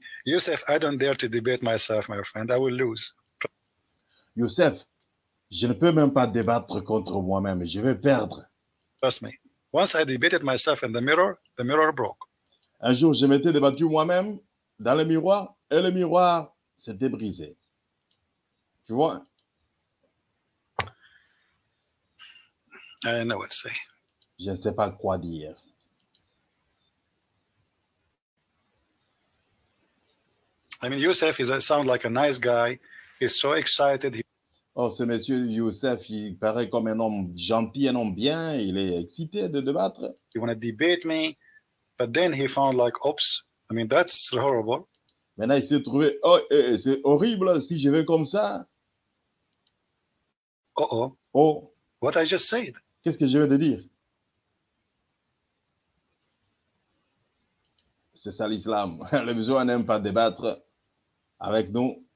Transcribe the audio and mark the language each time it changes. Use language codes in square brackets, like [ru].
[en] Youssef, I don't dare to debate myself, my friend. I will lose. [fr] Youssef, je ne peux même pas débattre contre moi-même. Je vais perdre. [en] Trust me. Once I debated myself in the mirror broke. [fr] Un jour, je m'étais débattu moi-même dans le miroir et le miroir s'était brisé. Tu vois? [en] I know what to say. [fr] Je ne sais pas quoi dire. [en] I mean, Youssef, he sounds like a nice guy. He's so excited. [fr] Oh, ce monsieur Youssef, il paraît comme un homme gentil, un homme bien. Il est excité de débattre. [en] He wanted to debate me, but then he found like, oops, I mean, that's horrible. [fr] Maintenant, il s'est trouvé, oh, c'est horrible si je vais comme ça. Uh-oh. Oh. [en] What I just said. [fr] Qu'est-ce que je viens de dire? C'est ça l'islam. Le musulman n'aime pas débattre avec nous.